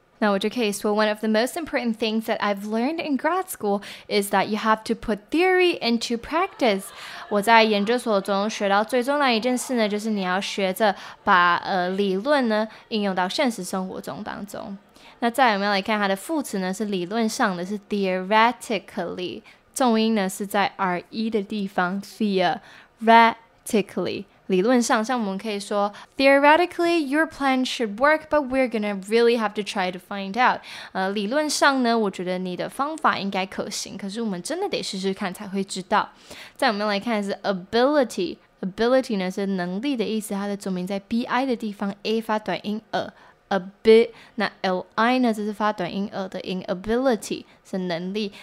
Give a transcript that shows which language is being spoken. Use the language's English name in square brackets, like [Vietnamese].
[English] Now, with your case, well, one of the most important things that I've learned in grad school is that you have to put theory into practice. [Chinese] 我在研究所中学到最重要的一件事呢，就是你要学着把理论呢应用到现实生活中当中。那再来我们要来看它的副词呢，是理论上的，是 theoretically， 重音呢是在 re 的地方 ，theoretically。理论上，像我们可以说 [English] ，theoretically your plan should work， but we're gonna really have to try to find out。 [Chinese] 理论上呢，我觉得你的方法应该可行，可是我们真的得试试看才会知道。再我们来看是 ability 呢是能力的意思，它的重音在 bi 的地方 ，a 发短音 a bit， 那 li 呢就是发短音 a 的音 ，ability 是能力。